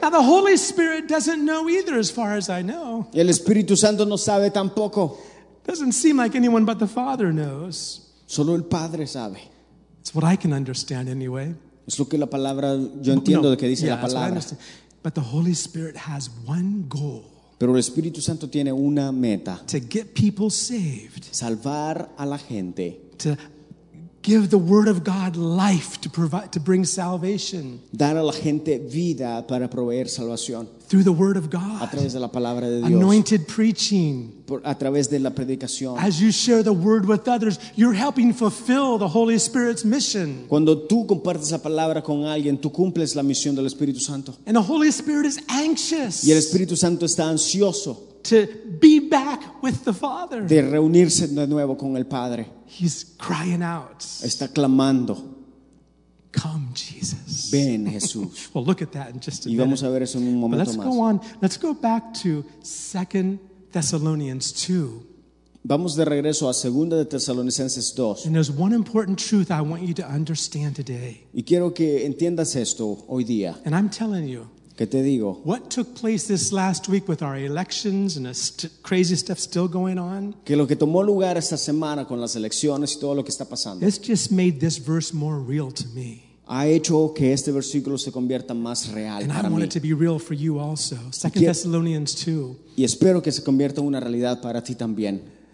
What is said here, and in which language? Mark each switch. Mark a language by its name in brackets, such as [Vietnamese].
[English] Now the Holy Spirit doesn't know either, as far as I know. [Spanish] El Espíritu Santo no sabe tampoco. [English] Doesn't seem like anyone but the Father knows. [Spanish] Solo el Padre sabe. [English] It's what I can understand anyway. [Spanish] Es lo que la palabra yo entiendo de que dice la palabra. [English] But the Holy Spirit has one goal. [Spanish] Pero el Espíritu Santo tiene una meta. [English] To get people saved. [Spanish] Salvar a la gente. [English] To give the word of God life to provide, to bring salvation. [Spanish] Dar a la gente vida para proveer salvación. [English] Through the word of God. [Spanish] A través de la palabra de Dios. [English] Anointed preaching. [Spanish] A través de la predicación. [English] As you share the word with others, you're helping fulfill the Holy Spirit's mission. [Spanish] Cuando tú compartes la palabra con alguien, tú cumples la misión del Espíritu Santo. [English] And the Holy Spirit is anxious. [Spanish] Y el Espíritu Santo está ansioso. [English] To be back with the Father. [Spanish] De reunirse de nuevo con el Padre. [English] He's crying out. [Spanish] Está clamando. [English] Come, Jesus. [Spanish] Ven, Jesús. [English] We'll look at that in just a minute. [Spanish] Y vamos a ver eso en un momento más. [English] But let's go on. Let's go back to 2 Thessalonians 2. [Spanish] Vamos de regreso a 2 de Tesalonicenses 2. [English] And there's one important truth I want you to understand today. [Spanish] Y quiero que entiendas esto hoy día. [English] And I'm telling you. [Spanish] ¿Qué te digo? [English] What took place this last week with our elections and crazy stuff still going on? [Spanish] Que lo que tomó lugar esta semana con las elecciones y todo lo que está pasando. [English] It's just made this verse more real to me. [Spanish] Ha hecho que este versículo se convierta más real [English] and [Spanish] para [English] I want [Spanish] mí. [English] It to be real for you also. 2 Thessalonians 2. [Spanish] Y espero que se convierta una realidad para ti también.